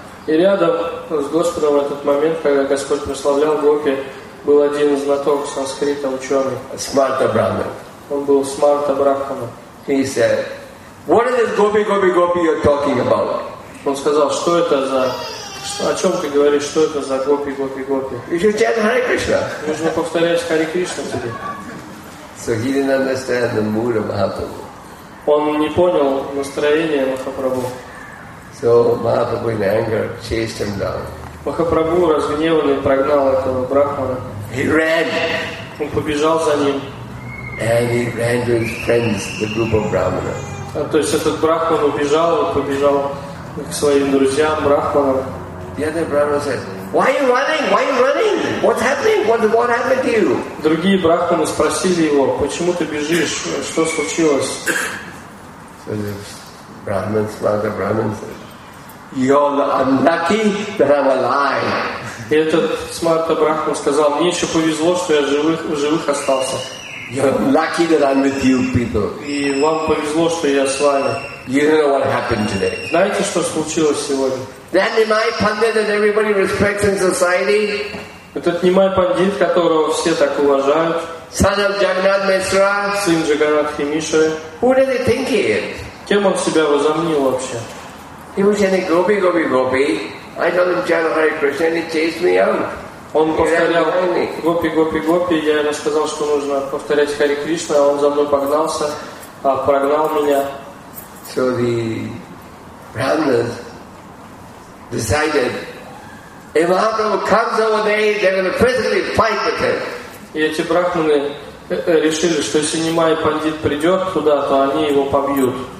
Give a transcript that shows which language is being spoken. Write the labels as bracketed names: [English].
[Russian] И рядом с Господом в этот момент, когда Господь прославлял гопи, был один знаток санскрита, ученый. Смарта Брахмана. Он был Смарта Брахмана. [English] He said, "What is this gopi, gopi, gopi you're talking about?" [Russian] Он сказал, что это за, о чем ты говоришь, что это за гопи, гопи, гопи? [English] You should chant Hare Krishna. [Russian] Нужно повторять Хари Кришна тебе. [English] So he didn't understand the mood of Mahaprabhu. [Russian] Он не понял настроение Махапрабху. [English] So Mahaprabhu in anger chased him down. [Russian] Махапрабху разгневанный прогнал этого брахмана. [English] He ran. [Russian] Он побежал за ним. [English] And he ran to his friends, the group of brahmana. [Russian] То есть этот брахман убежал и побежал к своим друзьям брахманам. [English] The other brahmana said, "Why are you running? Why are you running? What's happening? What happened to you?" [Russian] Другие брахманы спросили его, почему ты бежишь? Что случилось? [English] So the brahman, smarter brahman said, "You're unlucky that I'm alive." [Russian] И этот смарта брахман сказал, мне еще повезло, что я живых остался. [English] "You're lucky that I'm with you, people." [Russian] И вам повезло, что я с вами. [English] "You don't know what happened today." [Russian] Знаете, что случилось сегодня? [English] That Nimai Pandit that everybody respects in society. [Russian] Этот Нимай Пандит, которого все так уважают. [English] Son of Jagannath Mishra. [Russian] Сын Джаганнатхи Мишры. [English] Who did he think he is? [Russian] Кем он себя возомнил вообще? [English] He was chanting "Gopi, Gopi, Gopi." I told him, "Chant Hare Krishna." He chased me out. [Russian] Он повторял "Гопи, Гопи, Гопи." Я ему сказал, что нужно повторять Хари Кришна, а он за мной погнался, а прогнал меня. [English] So the brahmanas decided, if Mahaprabhu comes over there, they're going to physically fight with him. [Russian] И эти брахманы решили, что если Нимай Пандит придет туда, то они его побьют.